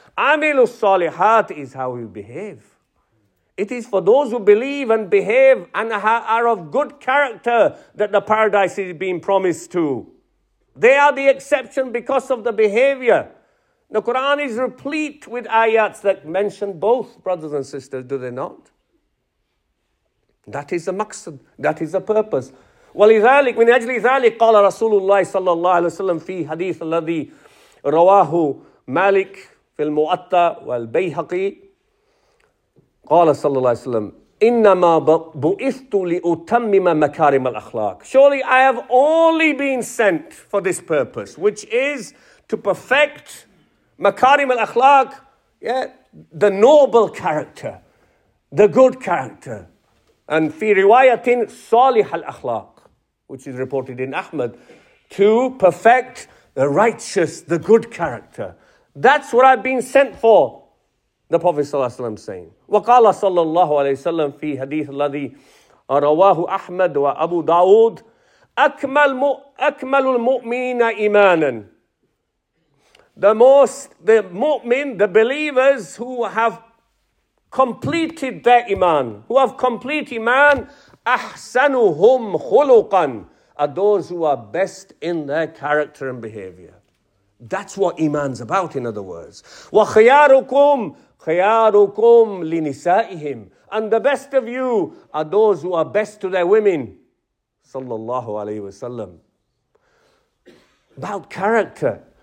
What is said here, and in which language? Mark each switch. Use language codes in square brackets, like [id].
[ar] عَمِلُوا الصَّالِحَاتِ [en] is how we behave. It is for those who believe and behave and are of good character that the paradise is being promised to. They are the exception because of the behavior. The Quran is replete with ayats that mention both brothers and sisters, do they not? That is the maqsad. That is the purpose. [ar] ولذلك من أجل ذلك قال رسول الله صلى الله عليه وسلم في حديث الذي رواه مالك في المؤتة والبيهقي قال صلى الله عليه وسلم إنما بعثت لأتمم مكارم الأخلاق. [en] Surely I have only been sent for this purpose, which is to perfect [ar] مكارم الأخلاق, [en] the noble character, the good character. And [ar] في رواية صالح الأخلاق, [en] which is reported in Ahmad, to perfect the righteous, the good character. That's what I've been sent for. The Prophet [ar] صلى الله عليه وسلم [en] saying. [ar] وقال صلى الله عليه وسلم في حديث الذي رواه أحمد وأبو داود أكمل المؤمنين إيمانا. [en] The mu'min, the believers who have completed their iman, who have complete iman, [ar] أحسنهم خلقا, [en] are those who are best in their character and behavior. That's what iman's about, in other words. [ar] وخياركم خياركم لنسائهم. [en] And the best of you are those who are best to their women. [ar] Sallallahu alayhi wa sallam. [en] About character.